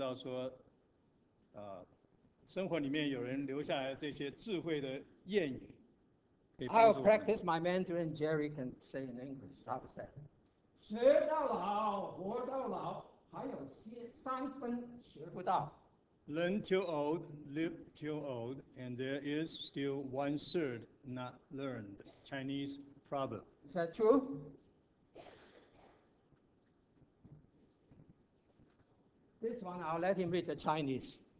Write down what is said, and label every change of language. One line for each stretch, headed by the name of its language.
Chinese: 这边长老特别找了个中英文都可以看得懂的这个图片，让我们知道说。
English: I'll practice my Mandarin, Jerry can say in English. How is that?
Chinese: 学到老,活到老,还有三分学不到.
English: Learn too old, live too old, and there is still one third not learned. Chinese proverb. Is that true? This one, I'll let him read the Chinese.